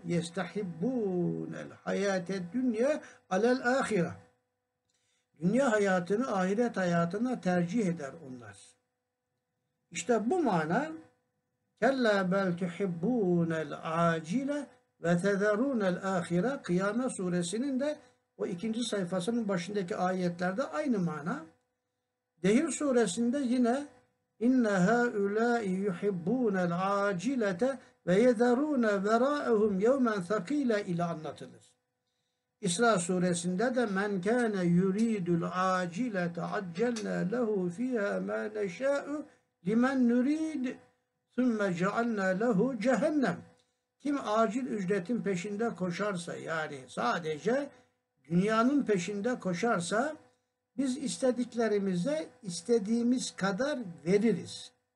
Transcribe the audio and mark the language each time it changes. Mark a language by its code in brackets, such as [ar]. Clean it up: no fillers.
[ar] يَسْتَحِبُّونَ الْحَيَاةَ الدُّنْيَا عَلَى الْآخِرَةِ [tr] dünya hayatını ahiret hayatına tercih eder onlar. İşte bu mana [ar] كَلَّا بَلْ تُحِبُّونَ الْعَاجِلَةِ وَتَذَرُونَ الْآخِرَةِ [tr] Kıyamet suresinin de o 2. sayfasının başındaki ayetlerde aynı mana. Dehir suresinde yine [ar] اِنَّ هَا اُولَٰئِ يُحِبُّونَ الْعَاجِلَةَ وَيَذَرُونَ وَرَاءَهُمْ يَوْمَنْ ثَقِيلًا [tr] ile anlatılır. İsra suresinde de [ar] مَنْ كَانَ يُرِيدُ الْعَاجِلَةَ عَجَّلْنَا لَهُ فِيهَا مَا نَشَاءُ لِمَنْ نُرِيدُ ثُمَّ جَعَلْنَا لَهُ جَهَنَّمْ [tr] Kim acil ücretin peşinde koşarsa yani sadece dünyanın peşinde koşarsa biz istediklerimize istediğimiz kadar veririz.